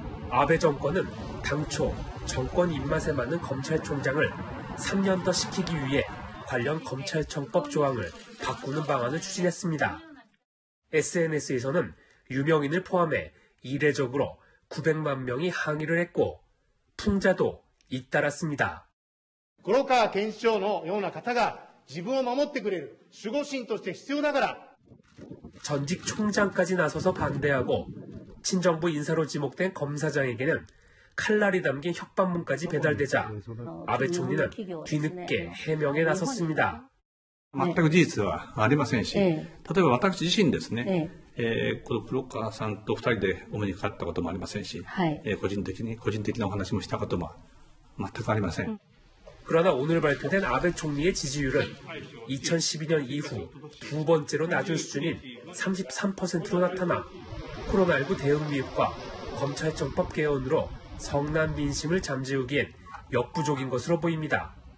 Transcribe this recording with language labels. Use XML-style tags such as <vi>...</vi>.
<ko>아베 정권은 당초 정권 입맛에 맞는 검찰총장을 3년 더 시키기 위해 관련 검찰청법 조항을 바꾸는 방안을 추진했습니다. SNS에서는 유명인을 포함해 이례적으로 900만 명이 항의를 했고 풍자도 잇따랐습니다.</ko> <ja>고로카 겐시오のような方が自分を守ってくれる守護神として必要ながら</ja> <ko>전직 총장까지 나서서 반대하고 친정부 인사로 지목된 검사장에게는 칼날이 담긴 협박문까지 배달되자 아베 총리는 뒤늦게 해명에 나섰습니다.</ko> <ja>全く事実はありませんし例えば私自身ですね ブロッカーさんと2人でお目にかかったこともありませんし個人的にお話もしたことも全くありません</ja> <ko>그러나 오늘 발표된 아베 총리의 지지율은 2012년 이후 두 번째로 낮은 수준인 33%로 나타나 코로나19 대응 미흡과 검찰청법 개헌으로 성난 민심을 잠재우기엔 역부족인 것으로 보입니다.</ko>